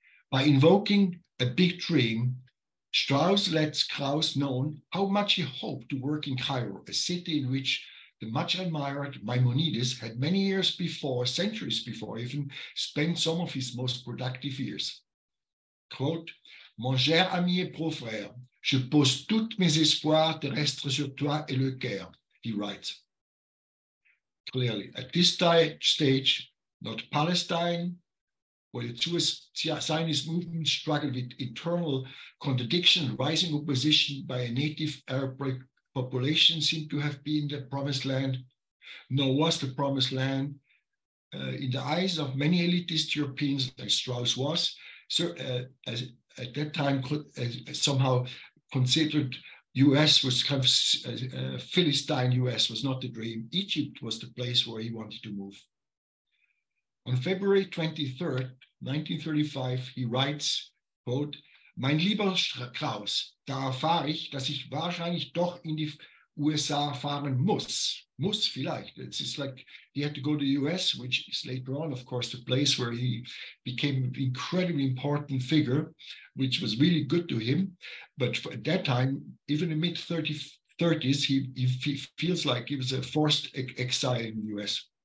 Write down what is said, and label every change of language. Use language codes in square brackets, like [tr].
[en] By invoking a big dream, Strauss lets Kraus know how much he hoped to work in Cairo, a city in which the much admired Maimonides had many years before, centuries before even, spent some of his most productive years. Quote, [fr] mon cher ami et beau frère, je pose tous mes espoirs terrestres sur toi et le cœur, [en] he writes. Clearly, at this stage, not Palestine, where the Zionist movement struggled with internal contradiction, rising opposition by a native Arab population seemed to have been the promised land, nor was the promised land, in the eyes of many elitist Europeans, like Strauss was, as at that time somehow considered U.S. was kind of Philistine U.S. was not the dream. Egypt was the place where he wanted to move. On February 23rd, 1935, he writes, quote, [de] mein lieber Kraus, da erfahre ich, dass ich wahrscheinlich doch in die USA fahren muss. Muss vielleicht. [en] It's just like he had to go to the U.S., which is later on, of course, the place where he became an incredibly important figure, which was really good to him. But at that time, even in mid-30s, he feels like he was a forced exile in the U.S.